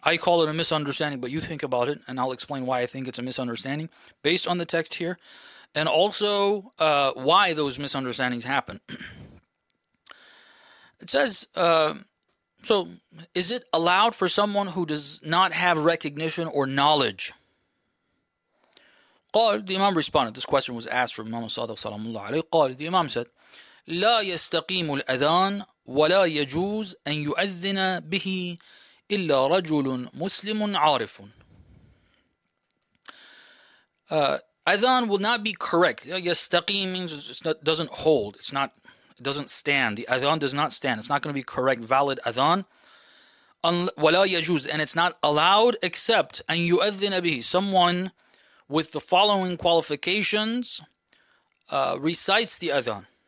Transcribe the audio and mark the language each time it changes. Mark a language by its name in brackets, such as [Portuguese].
[English] I call it a misunderstanding, but you think about it, and I'll explain why I think it's a misunderstanding based on the text here, and also why those misunderstandings happen. It says, so is it allowed for someone who does not have recognition or knowledge? قال, the Imam responded. This question was asked from Imam al-Sadiq, salamullah alayhi. [Arabic] قال, [English] the Imam said, [Arabic] لا يستقيم الأذان ولا يجوز أن يؤذن به إلا رجل مسلم عارف. [English] Adhan will not be correct. يستقيم means it doesn't hold. It's not, it doesn't stand. The adhan does not stand. It's not going to be correct, valid adhan. [Arabic] وَلَا يَجُوزُ, [English] and it's not allowed except [Arabic] أن يُؤذِّنَ بِهِ, [English] someone with the following qualifications recites the adhan.